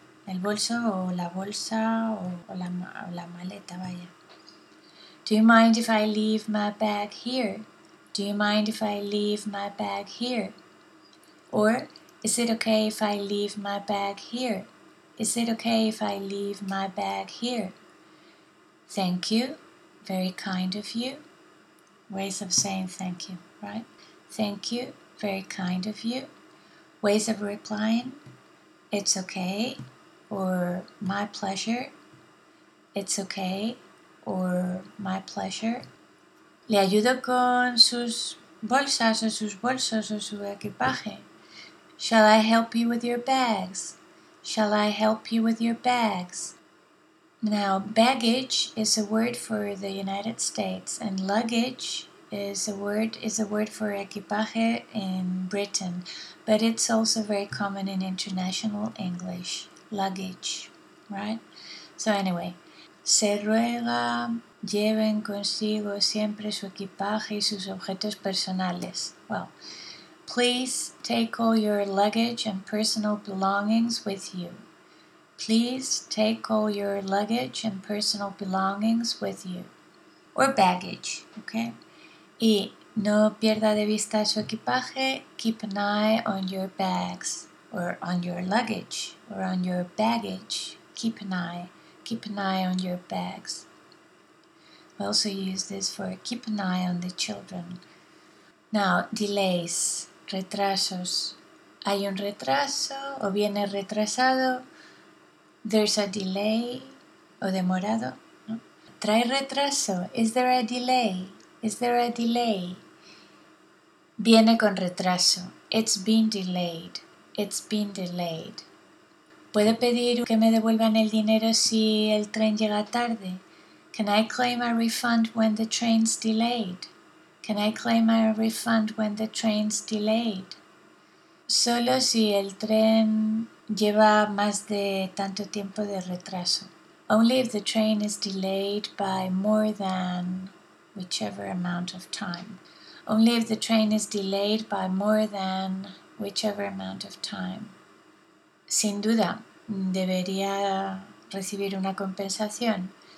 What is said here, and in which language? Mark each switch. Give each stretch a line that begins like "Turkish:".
Spanish: El bolso o la bolsa o la maleta, vaya.
English: Do you mind if I leave my bag here? Do you mind if I leave my bag here? Or, is it okay if I leave my bag here? Is it okay if I leave my bag here? Thank you. Very kind of you. Ways of saying thank you, right? Thank you. Very kind of you. Ways of replying. It's okay. Or, my pleasure. It's okay. Or, my pleasure.
Spanish: ¿Le ayudo con sus bolsas o sus bolsos o su equipaje?
English: Shall I help you with your bags? Shall I help you with your bags? Now, baggage is a word for the United States, and luggage is a word for equipaje in Britain, but it's also very common in international English. Luggage, right? So anyway,
Spanish: se ruega... Lleven consigo siempre su equipaje y sus objetos personales.
English: Well, please take all your luggage and personal belongings with you. Please take all your luggage and personal belongings with you. Or baggage, okay?
Spanish: Y no pierda de vista su equipaje.
English: Keep an eye on your bags or on your luggage or on your baggage. Keep an eye. Keep an eye on your bags. We also use this for keep an eye on the children. Now, delays,
Spanish: retrasos. Hay un retraso o viene retrasado.
English: There's a delay
Spanish: o demorado. ¿No? Trae retraso.
English: Is there a delay? Is there a delay?
Spanish: Viene con retraso.
English: It's been delayed. It's been delayed.
Spanish: ¿Puedo pedir que me devuelvan el dinero si el tren llega tarde?
English: Can I claim a refund when the train's delayed? Can I claim a refund when the train's delayed?
Spanish: Solo si el tren lleva más de tanto tiempo de retraso.
English: Only if the train is delayed by more than whichever amount of time. Only if the train is delayed by more than whichever amount of time.
Spanish: Sin duda, debería recibir una compensación.